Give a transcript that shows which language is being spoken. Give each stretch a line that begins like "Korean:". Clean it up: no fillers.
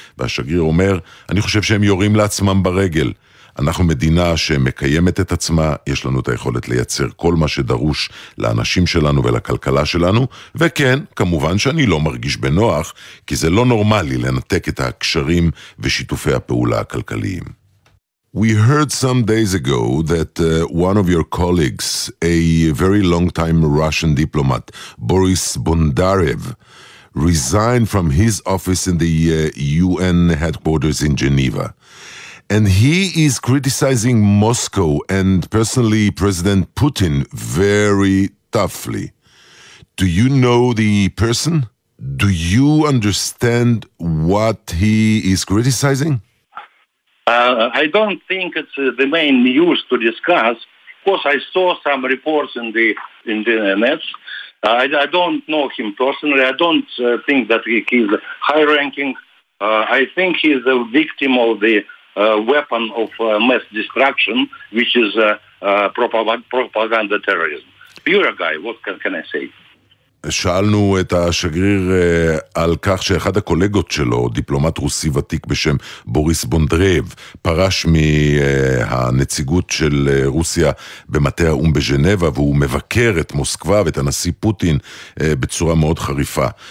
Hebrew: והשגריר אומר, אני חושב שהם יורים לעצמם ברגל. אנחנו מדינה שמקיימת את עצמה, יש לנו את היכולת לייצר כל מה שדרוש לאנשים שלנו ולכלכלה שלנו, וכן, כמובן שאני לא מרגיש בנוח, כי זה לא נורמלי לנתק את הקשרים ושיתופי הפעולה הכלכליים.
English: We heard some days ago that one of your colleagues, a very long time Russian diplomat, Boris Bondarev, resigned from his office in the UN headquarters in Geneva. And he is criticizing Moscow and personally President Putin very toughly. Do you know the person? Do you understand what he is criticizing? I don't think it's the main news to discuss. Of course, I saw some reports in the internet. I don't know him personally. I don't think that he is high ranking. I think he is a victim of the weapon of mass destruction, which is propaganda terrorism. Pure guy, what can I say?
Hebrew: שאלנו את השגריר על כך שאחד הקולגות שלו, דיפלומט רוסי ותיק בשם בוריס בונדרב, פרש מהנציגות של רוסיה במטה האום בז'נבה, והוא מבקר את מוסקווה ואת הנשיא פוטין בצורה מאוד חריפה.